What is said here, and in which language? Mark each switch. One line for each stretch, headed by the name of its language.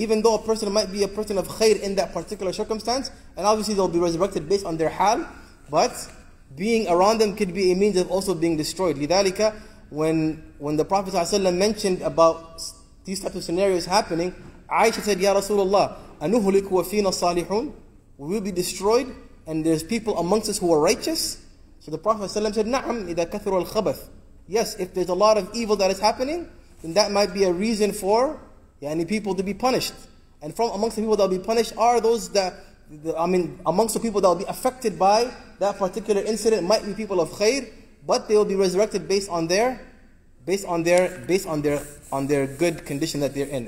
English: Even though a person might be a person of khair in that particular circumstance, and obviously they'll be resurrected based on their hal, but being around them could be a means of also being destroyed.
Arabic: لِذَلِكَ
English: when the Prophet ﷺ mentioned about these types of scenarios happening, Aisha said, Ya Rasulullah,
Arabic: أَنُهُلِكُ وَفِينَ الصَّالِحُونَ.
English: We will be destroyed, and there's people amongst us who are righteous. So the Prophet ﷺ said,
Arabic: نَعَمْ إِذَا كَثُرُ الْخَبَثُ.
English: Yes, if there's a lot of evil that is happening, then that might be a reason for people to be punished. And from amongst the people that will be punished are those amongst the people that will be affected by that particular incident might be people of khair, but they will be resurrected based on their good condition that they're in.